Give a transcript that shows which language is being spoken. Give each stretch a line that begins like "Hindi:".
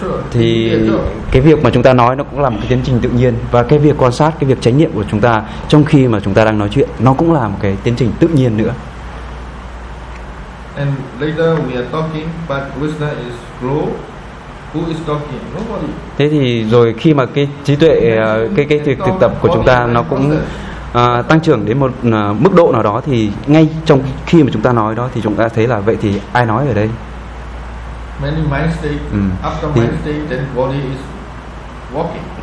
Vietnamese: Thì cái việc mà chúng ta nói nó cũng là một cái tiến trình tự nhiên, và cái việc quan sát, cái việc chánh niệm của chúng ta trong khi mà chúng ta đang nói chuyện nó cũng là một cái tiến trình tự nhiên nữa.
English: And later we are talking, but wisdom is grow, Who is talking? Nobody.
Vietnamese: Thế thì rồi khi mà cái trí tuệ cái việc thực tập của chúng ta nó cũng tăng trưởng đến một mức độ nào đó thì ngay trong khi mà chúng ta nói đó thì chúng ta thấy là vậy thì ai nói ở đây?
English: Many mind state. After mind state, then body is walking.